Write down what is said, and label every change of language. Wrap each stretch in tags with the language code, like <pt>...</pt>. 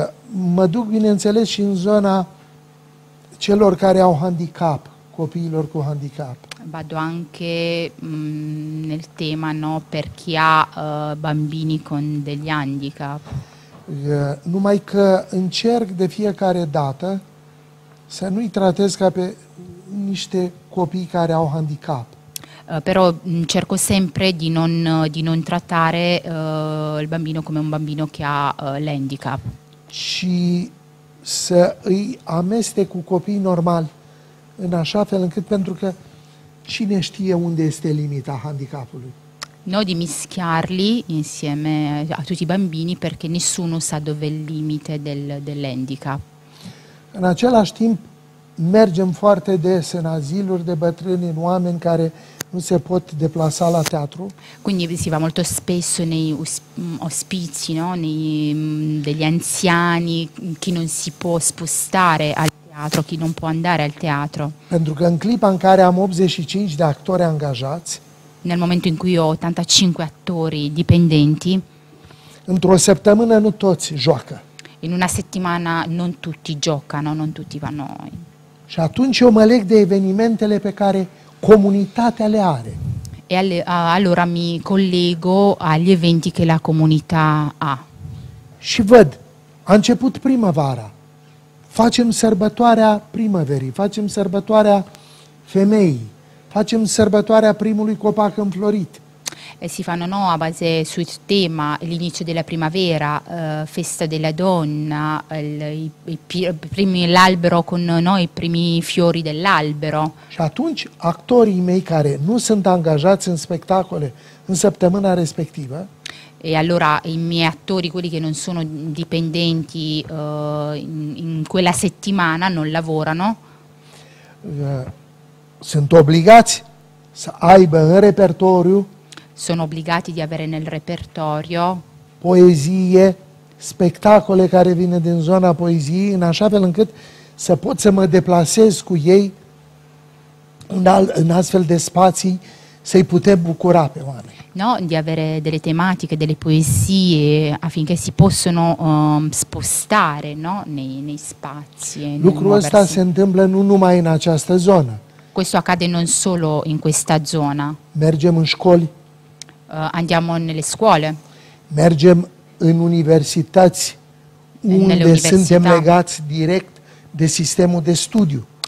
<ro>Mă duc, bineînțeles, și în zona celor care au handicap, copiilor cu handicap.</ro> <it>Vado anche nel tema, no, per chi ha bambini con degli handicap.</it> <ro>Numai că încerc de fiecare dată să nu-i tratez ca pe niște copii care au handicap.</ro> <it>Però cerco sempre di non trattare il bambino come un bambino che ha l'handicap.</it> <ro>Și să îi amestec cu copiii normali în așa fel încât, pentru că cine știe unde este limita handicapului.</ro> <it>No, di mischiarli insieme a tutti i bambini perché nessuno sa dove è il limite dell'handicap.</it> <ro>În același timp, mergem foarte des în aziluri de bătrâni, în oameni care nu se pot deplasa la teatru.</ro> <it>Quindi si va molto spesso nei ospizi, no? Degli anziani, chi non si può spostare al teatro, chi non può andare al teatro.</it> <ro>Pentru că în clipa în care am 85 de actori angajați,</ro> <it>nel momento in cui ho 85 attori dipendenti,</it> <ro>într-o săptămână nu toți joacă.</ro> <it>In una settimana non tutti giocano, non tutti vanno.</it> <ro>Și atunci eu mă leg de evenimentele pe care comunitatea le are.</ro> <it>E allora mi collego agli eventi che la comunità ha.</it> <ro>Și văd, a început primăvara, facem sărbătoarea primăverii, facem sărbătoarea femeii, facem sărbătoarea primului copac înflorit.</ro> <it>E si fanno, no, a base sul tema l'inizio della primavera, festa della donna, l'albero con noi, i primi fiori dell'albero.</it> <ro>Și atunci actorii mei care nu sunt angajați în spectacole în săptămâna respectivă,</ro> <it>e allora i miei attori, quelli che non sono dipendenti in quella settimana, non lavorano,</it> <ro>sunt obligați să aibă în repertoriu.</ro> <it>Sono obbligati di avere nel repertorio poesie, spettacole</it> <ro>care vine din zona poeziei, in așa fel încât să pot să mă deplasez cu ei în astfel de spații, să-i putem bucura pe oameni.</ro> <it>No, di avere delle tematiche, delle poesie affinché si possono spostare, no, nei spazi.</it> <ro>Lucrul ăsta se întâmplă nu numai în această zonă.</ro> <it>Questo accade non solo in questa zona.</it> <ro>Mergem în școli.</ro> <it>Andiamo nelle scuole.</it> <ro>Mergem în universități unde suntem legați direct de sistemul de studiu.</ro>